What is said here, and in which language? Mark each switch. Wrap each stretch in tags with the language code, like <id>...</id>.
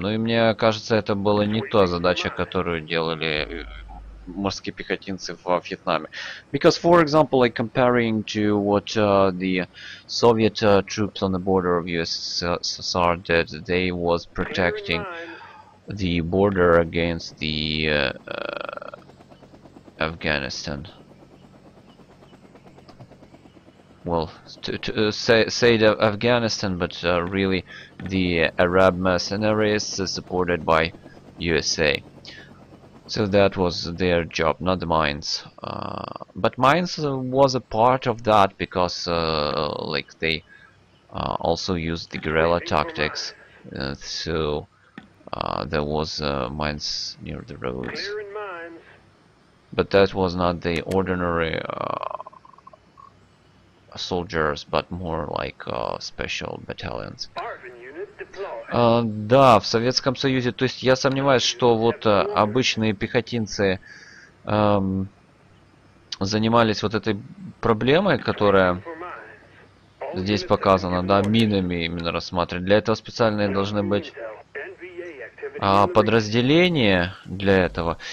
<ru>Ну и мне кажется, это была не та задача, которую делали морские пехотинцы во Вьетнаме.</ru> <en>Because, for example, like comparing to what the Soviet troops on the border of USSR did, they was protecting the border against the Afghanistan. Well, to say the Afghanistan, but really the Arab mercenaries supported by USA. So that was their job, not the mines. But mines was a part of that because, like, they also used the guerrilla tactics. So there was mines near the roads. But that was not the ordinary soldiers, but more like special battalions.</en> <ru>Да, в Советском Союзе, то есть я сомневаюсь, что вот обычные пехотинцы занимались вот этой проблемой, которая здесь показана, да, минами именно рассматривать. Для этого специальные должны быть подразделения для этого.</ru>